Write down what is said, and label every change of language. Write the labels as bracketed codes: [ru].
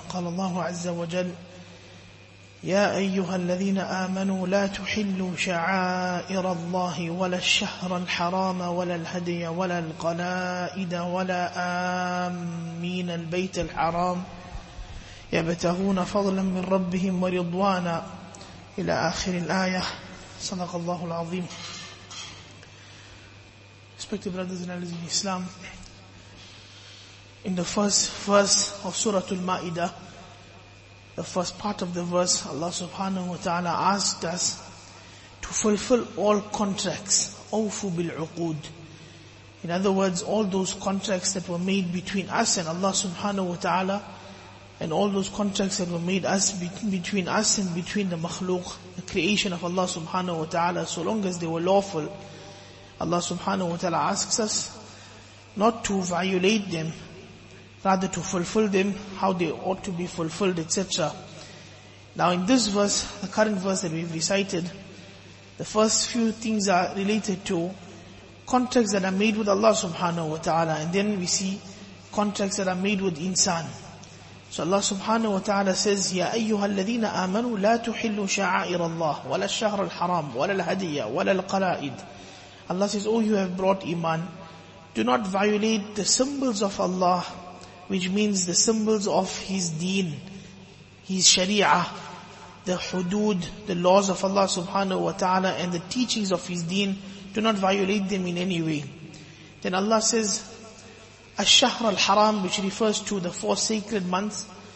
[ar] قال الله عز وجل: يا أيها الذين آمنوا لا تحلوا شعائر الله ولا الشهر الحرام ولا الهدي ولا القلائد ولا آمين البيت الحرام يبتغون فضلا من ربهم ورضوانا إلى آخر الآية. صدق الله العظيم. [en] Respected brothers and elders in Islam, in the first verse of Surah Al-Ma'idah, the first part of the verse, Allah subhanahu wa ta'ala asked us to fulfill all contracts. [ar] أوفوا بالعقود. [en] In other words, all those contracts that were made between us and Allah subhanahu wa ta'ala, and all those contracts that were made us between us and between the makhluq, the creation of Allah subhanahu wa ta'ala, so long as they were lawful, Allah subhanahu wa ta'ala asks us not to violate them, rather to fulfill them how they ought to be fulfilled, etc. Now in this verse, the current verse that we've recited, the first few things are related to contracts that are made with Allah subhanahu wa ta'ala, and then we see contracts that are made with insan. So Allah subhanahu wa ta'ala says, [ar] يَا أَيُّهَا الَّذِينَ آمَنُوا لَا تُحِلُّوا شَعَائِرَ اللَّهِ وَلَا الشَّهْرَ الْحَرَامِ وَلَا الْهَدِيَ وَلَا الْقَلَائِدِ. [en] Allah says, oh, you have brought iman, do not violate the symbols of Allah, which means the symbols of His deen, His sharia, the hudud, the laws of Allah subhanahu wa ta'ala, and the teachings of His deen. Do not violate them in any way. Then Allah says, [ar] الشهر الحرام, [en] which refers to the four sacred months.